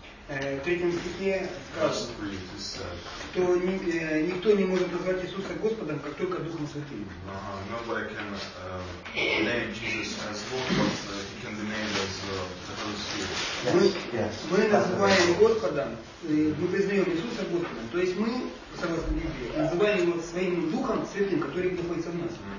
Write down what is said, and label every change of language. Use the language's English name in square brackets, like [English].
[Russian] В третьем стихе сказано, никто не может назвать Иисуса Господом, как только Духом Святым. [English] Nobody can name Jesus as Lord, but he can be named as the Holy Spirit. [Russian] Мы называем Господом, мы признаем Иисуса Господом, то есть мы, согласно Библии, называем Его своим Духом Святым, который находится в нас.